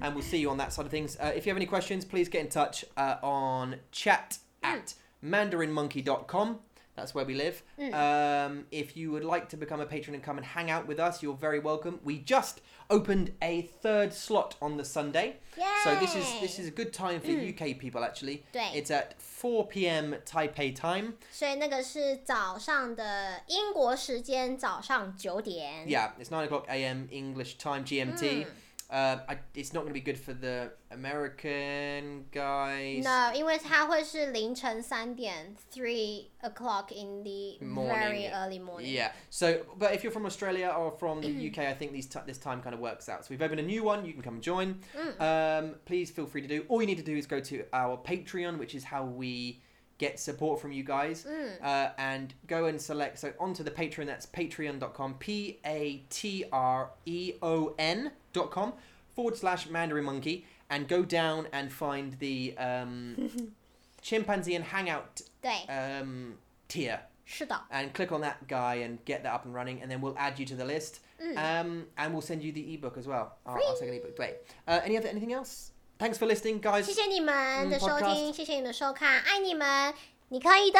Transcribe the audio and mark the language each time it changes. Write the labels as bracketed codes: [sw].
[en] And we'll see you on that side of things. If you have any questions, please get in touch on chat at mandarinmonkey.com. That's where we live. If you would like to become a patron and come and hang out with us, you're very welcome. We just opened a third slot on the Sunday. Yay! So this is a good time for UK people, actually. [zh] 对. [en] It's at 4 p.m. Taipei time. [zh] 所以那个是早上的英国时间早上9点. [en] Yeah, it's 9 o'clock a.m. English time, GMT. It's not going to be good for the American guys. No, because it will be [zh] 凌晨3点, [en] 3 o'clock in the morning, very early morning. Yeah. So, but if you're from Australia or from the UK, I think this time kind of works out. So we've opened a new one. You can come and join. Please feel free to do. All you need to do is go to our Patreon, which is how we get support from you guys. And go and select. So onto the Patreon. That's patreon.com. P-A-T-R-E-O-N. .com/mandarinmonkey and go down and find the chimpanzee and hangout tier. [zh] 是的. [en] And click on that guy and get that up and running, and then we'll add you to the list. And we'll send you the ebook as well. I'll take an ebook. Great. Anything else? Thanks for listening, guys. [zh] 谢谢你们的收听，谢谢你的收看，爱你们，你可以的，